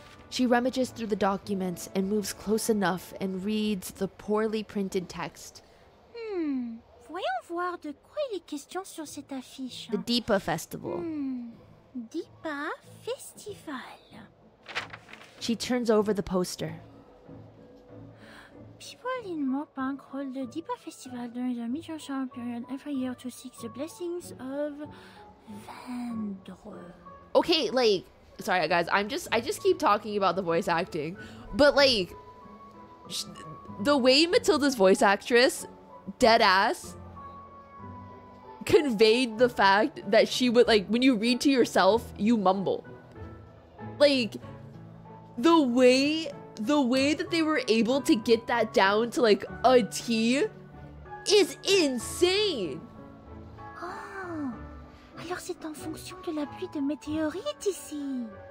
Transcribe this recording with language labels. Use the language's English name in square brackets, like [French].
[English] She rummages through the documents and moves close enough and reads the poorly printed text. [French] Voyons voir de quoi il est question sur cette affiche. [English] The Deepa Festival. Deepa Festival. She turns over the poster. People in Mopunk hold the Deepa Festival during the mid-year period every year to seek the blessings of Vendre. Okay, like... Sorry, guys. I just keep talking about the voice acting. But, like... the way Matilda's voice actress, deadass, conveyed the fact that she would, like... When you read to yourself, you mumble. Like, the way that they were able to get that down to, like, a T is insane! Oh! [French] Alors c'est en fonction de la pluie de météorites ici!